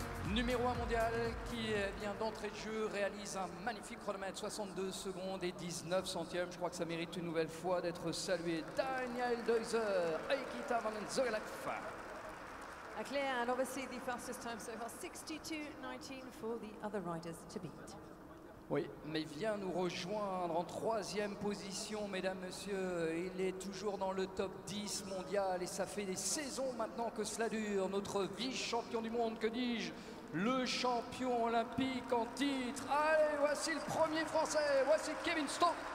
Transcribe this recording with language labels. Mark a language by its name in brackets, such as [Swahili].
[French] Numéro 1 mondial qui vient d'entrée de jeu, réalise un magnifique chronomètre, 62 secondes et 19 centièmes. Je crois que ça mérite une nouvelle fois d'être salué. Daniel Deuser, Aikita Valenzuela-Kuff. [English] Clear, and obviously the fastest time so far, 62.19 for the other riders to beat. [French] Oui, mais vient nous rejoindre en troisième position, mesdames, messieurs. Il est toujours dans le top 10 mondial et ça fait des saisons maintenant que cela dure. Notre vice-champion du monde, que dis-je, le champion olympique en titre. Allez, voici le premier Français, voici Kevin Stott.